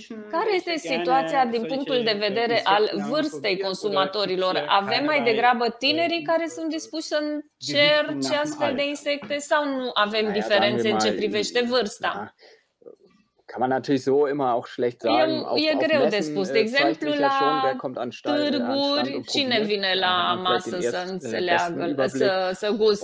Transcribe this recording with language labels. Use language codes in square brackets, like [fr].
[ro] Care este situația din punctul de vedere al vârstei consumatorilor? Avem mai degrabă tinerii care sunt dispuși să încerce astfel de insecte sau nu avem diferențe în ce privește vârsta? [de] Kann man natürlich so immer auch schlecht sagen. [ro] E greu de spus. De exemplu, la târguri, cine vine la masă să înțeleagă, să guste?